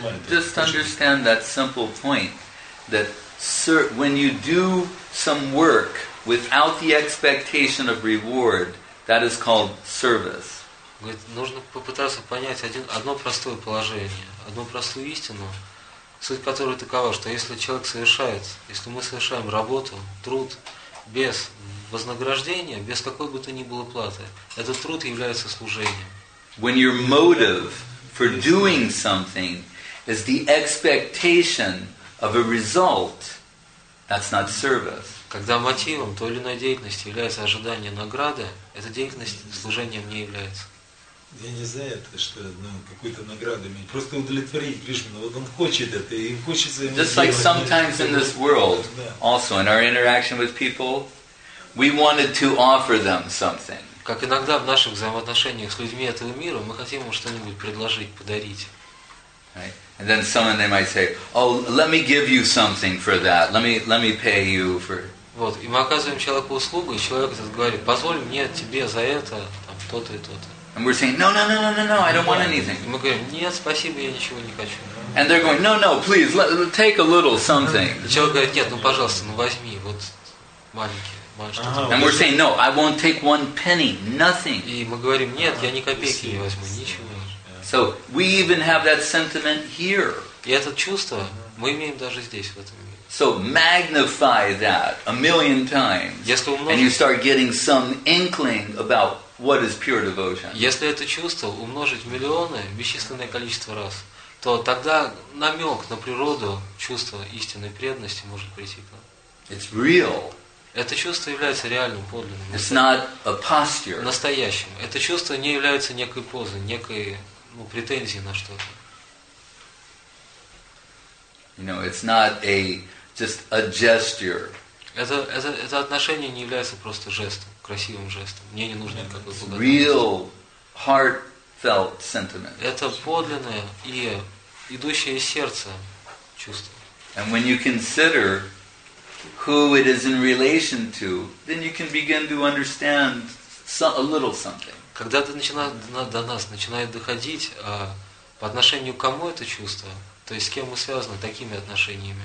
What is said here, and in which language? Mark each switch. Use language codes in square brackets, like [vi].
[en] Just understand that simple point, that when you do some work without the expectation of reward, that is called service. [ru] Говорит, нужно попытаться понять одно простое положение, одну простую истину, суть которой такова, что если мы совершаем работу, труд без вознаграждения, без какой бы то ни было платы, этот труд является служением. [en] When your motive for doing something is the expectation of a result, that's not service. [ru] Когда мотивом той или иной деятельности является ожидание награды, эта деятельность служением не является. Я не за это, что какую-то награду иметь. Просто удовлетворить Кришну. Вот он хочет это, и хочется ему. [en] Just like sometimes in this world, also in our interaction with people, we wanted to offer them something. [ru] Как иногда в наших взаимоотношениях с людьми этого мира, мы хотим им что-нибудь предложить, подарить. [en] Right? And then someone they might say, oh, let me give you something for that. Let me pay you for. [ru] Вот, и мы оказываем человеку услугу, и человек этот говорит, позволь мне тебе за это там то-то и то-то. [en] And we're saying, no, I don't want anything. [ru] Мы говорим, нет, спасибо, я ничего не хочу. [en] And they're going, no, please, take a little something. [ru] Человек говорит, нет, ну пожалуйста, ну возьми, вот маленький. [en] And we're saying, no, I won't take one penny, nothing. [ru] И мы говорим, нет, я ни копейки не возьму, ничего. [en] So we even have that sentiment here. [ru] И это чувство мы имеем даже здесь, в этом мире. [en] So magnify that a million times. And you start getting some inkling about what is pure devotion? [ru] Если это чувство умножить в миллионы, бесчисленное количество раз, то тогда намек на природу чувства истинной преданности может прийти к нам. [en] It's real. [ru] Это чувство является реальным, подлинным. [en] It's not a posture. [ru] Настоящим. Это чувство не является некой позой, некой претензией на что-то. [en] You know, it's not a just a gesture. [ru] Это отношение не является просто жестом, красивым жестом. Мне не нужно никакой благодарности. [en] Real heartfelt sentiment. [ru] Это подлинное и идущее из сердца чувство. [en] And when you consider who it is in relation to, then you can begin to understand a little something. [ru] Когда ты начинаешь до нас начинает доходить по отношению к кому это чувство, то есть с кем мы связаны такими отношениями?